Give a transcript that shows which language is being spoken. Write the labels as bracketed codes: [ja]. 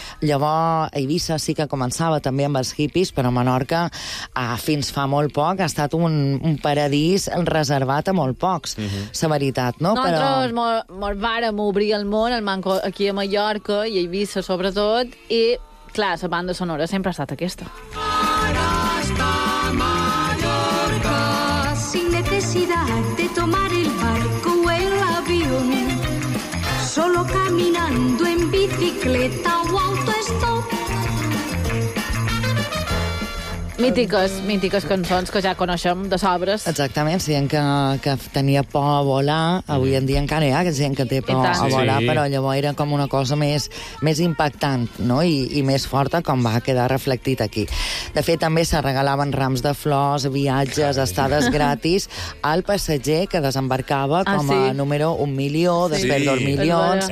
[ca] Llavors, Eivissa sí que començava també amb els hippies, però a Menorca fins fa molt poc ha estat un paradís reservat a molt pocs, la veritat, no? Nosaltres molt vàrem obrir el món aquí a Mallorca i a Eivissa, sobretot, i, clar, la banda sonora sempre ha estat aquesta. Ara està Mallorca [es] sin necesidad de tomar el barco o el avión, solo caminando en bicicleta o autostop. [ca] Mítiques cançons que ja coneixem de sobres. Exactament, gent que tenia por a volar, avui en dia encara hi ha gent que té por a volar, però llavors era com una cosa més impactant, no? I més forta, com va quedar reflectit aquí. De fet, també se regalaven rams de flors, viatges, estades gratis al passatger que desembarcava com a número 1 milió, després 2 milions.